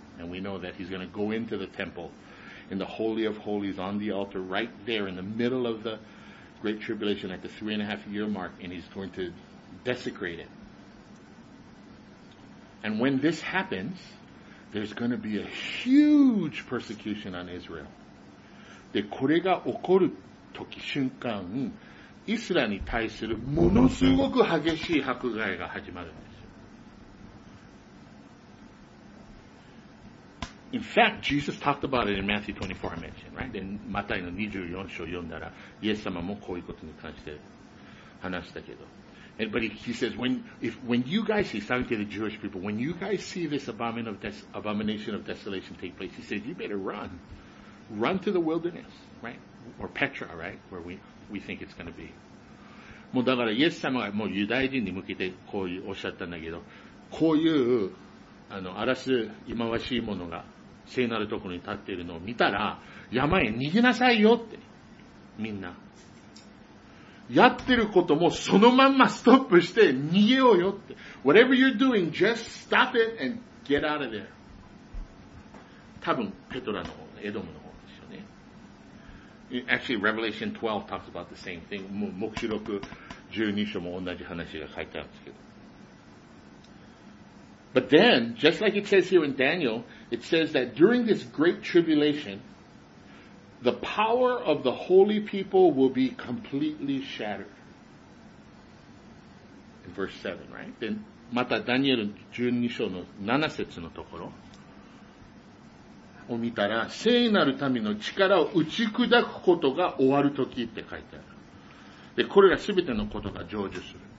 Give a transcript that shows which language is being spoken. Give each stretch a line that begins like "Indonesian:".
English: And we know that he's going to go into the temple in the Holy of Holies on the altar right there in the middle of the Great Tribulation at the 3.5 year mark and he's going to desecrate it. And when this happens,There's going to be a huge persecution on Israel.
Japanese: で、これが起こる時、瞬間、イスラに対するものすごく激しい迫害が始まるんですよ。
English: In fact, Jesus talked about it in Matthew 24, I mentioned, right?
Japanese: で、マタイの24章読んだら、イエス様もこういうことに関して話したけど。
English: But he says, when you guys, he's talking to the Jewish people, when you guys see this abomination of desolation take place, he says, you better run. Run to the wilderness, right? Or Petra, right? Where we think it's going to be.
Japanese: もうだから、イエス様がもうユダヤ人に向けてこういうおっしゃったんだけど、こういう、あの、荒らす忌まわしいものが聖なるところに立っているのを見たら、山へ逃げなさいよって、みんな。やってることもそのまんまストップして逃げようよって。
English: Whatever you're doing, just stop it and get out of there.
Japanese: 多分、ペトラの方、エドムの方ですよね。
English: Actually, Revelation 12 talks about the same thing.
Japanese: 黙示録12章も同じ話が書いてあるんですけど。
English: But then, just like it says here in Daniel, it says that during this great tribulation,The power of the holy people will be completely shattered. In verse 7, right?
Japanese: Then, またダニエル12章の7節のところを見たら、聖なる民の力を打ち砕くことが終わるときって書いてある。で、これら全てのことが成就する。